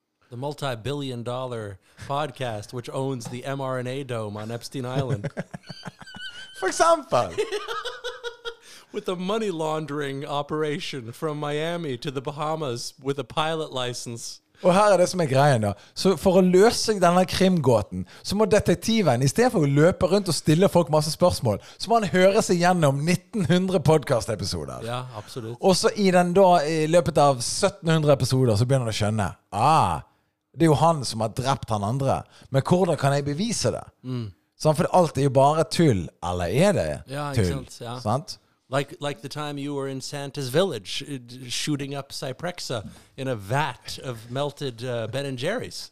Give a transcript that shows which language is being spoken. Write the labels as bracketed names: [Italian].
[English] The multi-billion dollar podcast which owns the mRNA dome on Epstein Island. For example. With a money laundering operation from Miami to the Bahamas with a pilot license. [Norwegian] Og her det som greien da. Så for å løse denne krimgåten, så må detektiven, I stedet for å løpe rundt og stille folk masse spørsmål, så må han høre seg gjennom 1900 podcast-episoder. Ja, absolutt. Og så I den da, I løpet av 1700 episoder, så begynner han å skjønne, det jo han som har drept han andre. Men hvordan kan jeg bevise det? Mm. Sånn, for alt jo bare tull, eller det tull? Ja, ikke sant, ja. Sant? [English] Like the time you were in Santa's village, shooting up Cyprexa in a vat of melted Ben and Jerry's.